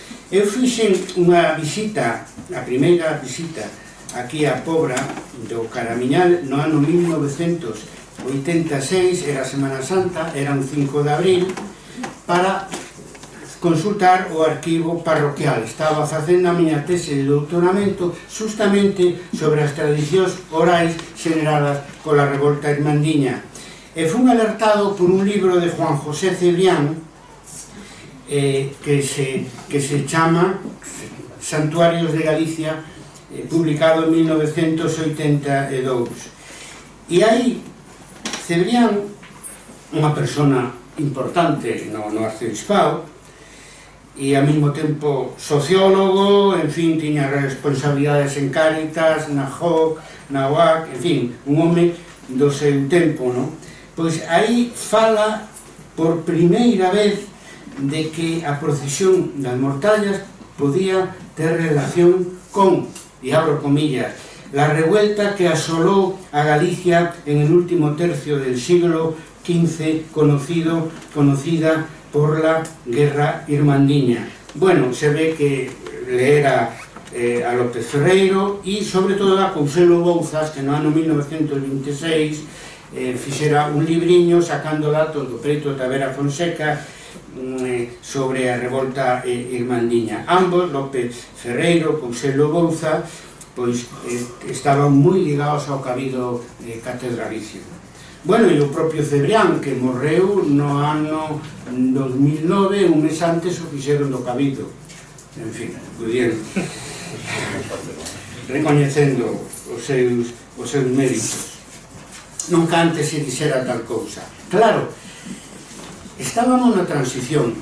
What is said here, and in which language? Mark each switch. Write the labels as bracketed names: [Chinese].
[Galician] Eu fixen unha visita, a primeira visita aquí a Pobra do Caramiñal no ano 1986, era Semana Santa, era un 5 de abril, para consultar o arquivo parroquial. Estaba facendo a miña tese de doutoramento justamente sobre as tradicións orais xeneradas pola revolta irmandiña. E fun alertado por un libro de Juan José Cebrián que se chama Santuarios de Galicia, publicado en 1982. E aí Cebrián, unha persona importante no arcebispado e ao mesmo tempo sociólogo, en fin, tiña responsabilidades en Cáritas, na JOC, na UAC, en fin, un home do seu tempo, ¿no? Pois aí fala por primeira vez de que a procesión das mortallas podía ter relación con, e abro comillas, [Spanish] la revuelta que asolou a Galicia en el último tercio del siglo XV, conocida por la Guerra Irmandiña. [Galician] Bueno, se ve que le era a López Ferreiro e, sobre todo, a Couselo Bouzas, que no ano 1926 fixera un libriño sacando datos do preto de Tavera Fonseca sobre a revolta irmandiña. Ambos, López Ferreiro e Couselo Bouzas, pois estaban moi ligados ao cabido catedralicio. Bueno, e o propio Cebrián, que morreu no ano 2009, un mes antes o fixeron do cabido. En fin, pudieron recoñecendo os seus méritos. Nunca antes se dixera tal cousa. Claro, estábamos na transición.